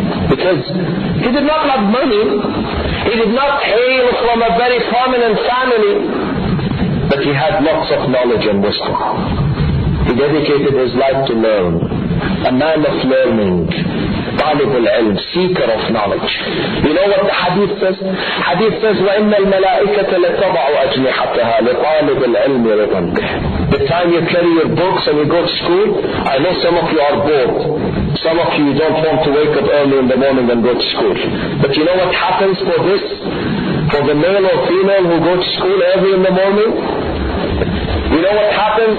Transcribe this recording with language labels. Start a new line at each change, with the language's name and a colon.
English: Because he did not have money. He did not hail from a very prominent family. But he had lots of knowledge and wisdom. He dedicated his life to learn. A man of learning.
Arabic: طالب العلم,
English: seeker of knowledge. You know what the hadith says? Hadith says,
Arabic: وَإِنَّ الْمَلَائِكَةَ لَتَضَعُ أَجْنِحَتَهَا لِطَالِبِ الْعِلْمِ رِضًا.
English: The time you carry your books and you go to school, I know some of you are bored. Some of you don't want to wake up early in the morning and go to school. But you know what happens for this? For the male or female who go to school early in the morning? You know what happens?